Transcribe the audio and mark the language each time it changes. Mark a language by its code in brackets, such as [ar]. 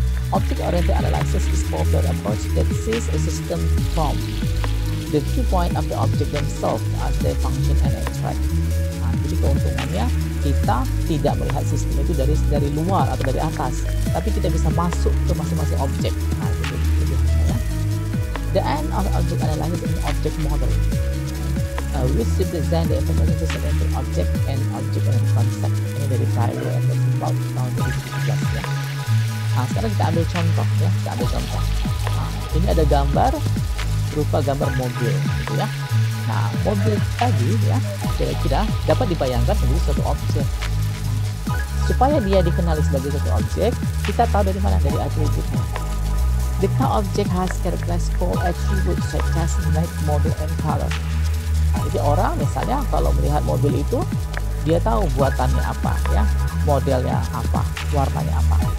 [en] Object-oriented analysis is popular approach that sees a system from the viewpoint of the object themselves as they function and interact. [id] Nah, jadi keuntungannya kita tidak melihat sistem itu dari luar atau dari atas, tapi kita bisa masuk ke masing-masing objek. Nah, itu ya. [en] The end of object analysis is object model. We should design the information system into object and object and concept. [id] Ini dari Cairo and the Cloud tahun 2017 ya. Nah, sekarang kita ambil contoh ya, kita ambil contoh. Nah, ini ada gambar berupa gambar mobil gitu ya. Nah, mobil tadi ya kira-kira dapat dibayangkan sebagai suatu objek. Supaya dia dikenali sebagai suatu objek, kita tahu dari mana, dari atributnya. [en] The car object has characteristics attributes such as make, model, and color. [id] Jadi orang misalnya kalau melihat mobil itu dia tahu buatannya apa ya, modelnya apa, warnanya apa.